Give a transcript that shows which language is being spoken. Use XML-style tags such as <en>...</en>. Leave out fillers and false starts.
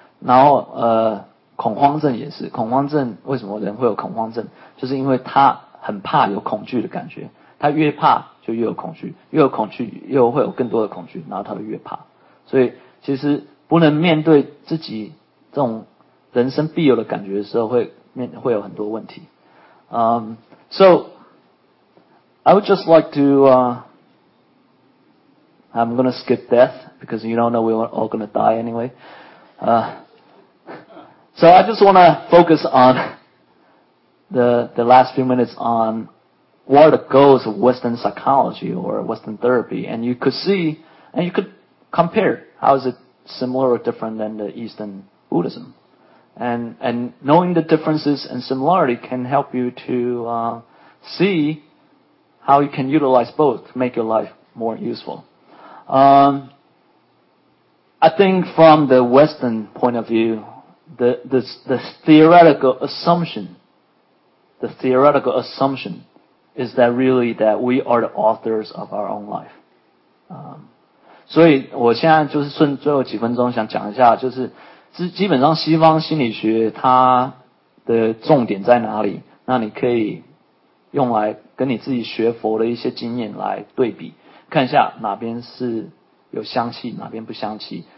<zh>然后恐慌症也是，恐慌症为什么人会有恐慌症，就是因为他很怕有恐惧的感觉，他越怕就越有恐惧，越有恐惧又会有更多的恐惧，然后他会越怕。所以其实不能面对自己这种人生必有的感觉的时候，会有很多问题。</zh> <en>So I would just like to I'm going to skip death because you don't know we're all going to die anyway. So I just want to focus on the last few minutes on what are the goals of Western psychology or Western therapy, and you could see and you could compare how is it similar or different than the Eastern Buddhism. And knowing the differences and similarity can help you to see how you can utilize both to make your life more useful. I think from the Western point of view, the theoretical assumption is that really that we are the authors of our own life.</en> <zh>所以我现在就是顺最后几分钟想讲一下，就是基本上西方心理学它的重点在哪里，那你可以用来跟你自己学佛的一些经验来对比，看一下哪边是有香气，哪边不香气。</zh>